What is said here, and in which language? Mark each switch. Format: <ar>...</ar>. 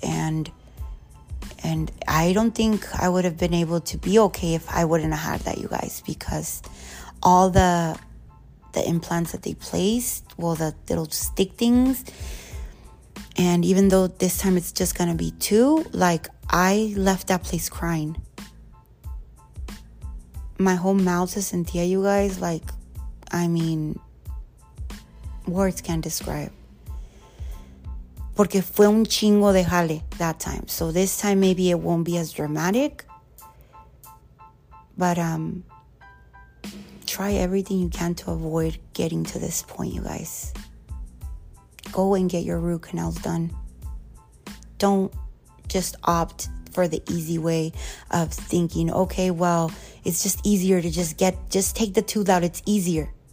<en>And I don't think I would have been able to be okay if I wouldn't have had that, you guys, because all the implants that they placed, well, the little stick things, and even though this time it's just going to be two, like, I left that place crying. My whole mouth is Cynthia, you guys, like, I mean, words can't describe.</en> <es>Porque fue un chingo de jale</es> <en>that time. So this time maybe it won't be as dramatic. But try everything you can to avoid getting to this point, you guys. Go and get your root canals done. Don't just opt for the easy way of thinking, okay, well, it's just easier to just take the tooth out. It's easier.</en>